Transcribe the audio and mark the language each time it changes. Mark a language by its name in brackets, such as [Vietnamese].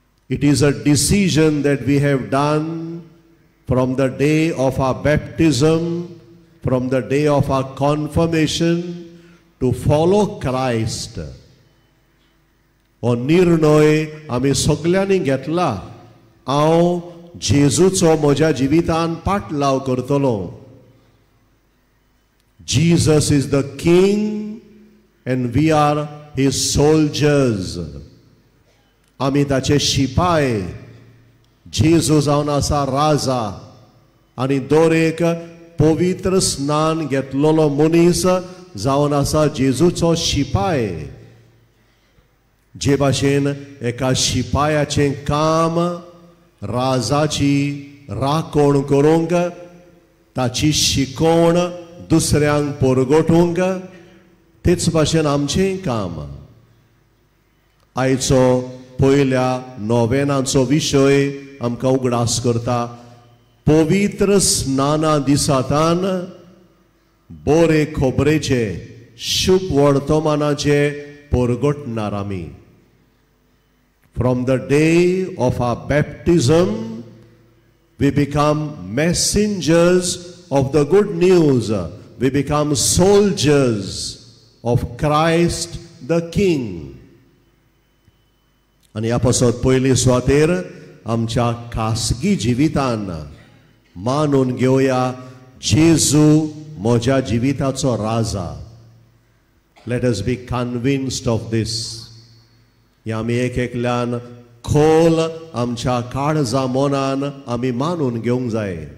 [English] It is a decision that we have done from the day of our baptism, from the day of our confirmation to follow Christ. [Goan Konkani] हो निर्णय आमी सगळ्यांनी घेतला. हांव जेजूचो म्हज्या जिवितान पाठलाव करतलो. [English] Jesus is the king and we are his soldiers. [Goan Konkani] आमी ताचे शिपाय. जेजू जावन आसा राजा, आनी दर एक पवित्र स्नान घेतलेलो मनीस जावन आसा जेजूचो शिपाय. जे भाशेन एका शिपायाचें काम राजाची राखण करूंक, ताची शिकवण दुसऱ्यांक परगटूंक, तेच भाशेन आमचें काम. आयचो पयल्या नोवेनाचो विशय आमकां उगडास करता. पवित्र स्नाना दिसातान बरे खोबरेचे शुभ वर्तमानाचे परगटणार आमी. [English] From the day of our baptism we become messengers of the good news, we become soldiers of Christ the king. [Goan Konkani] आनी ह्या पासत पयली सुवातेर आमच्या खासगी जिवितान मानून घेवया, जेजू म्हज्या जिविताचो राजा. [English] Let us be convinced of this. [Goan Konkani] हे आमी एक एकल्यान खोल आमच्या काळजा मनान आमी मानून घेवंक जाय.